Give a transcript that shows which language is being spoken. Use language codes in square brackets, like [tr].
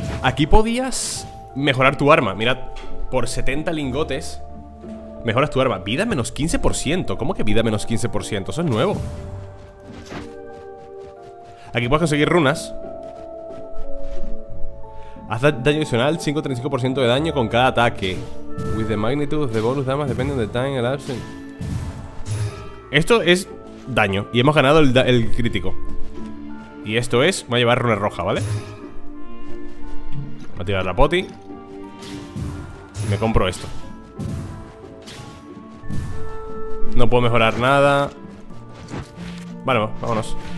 [es] Aquí podías mejorar tu arma, mirad. Por 70 lingotes mejoras tu arma. Vida menos 15%. ¿Cómo que vida menos 15%? Eso es nuevo. Aquí puedes conseguir runas. Haz daño adicional 5-35% de daño con cada ataque. [en] With the magnitude of the bonus damage depending on the time and absence. [es] Esto es daño. Y hemos ganado el crítico. Y esto es, va a llevar runa roja, ¿vale? Va a tirar la poti. Me compro esto. No puedo mejorar nada. Vale, vámonos.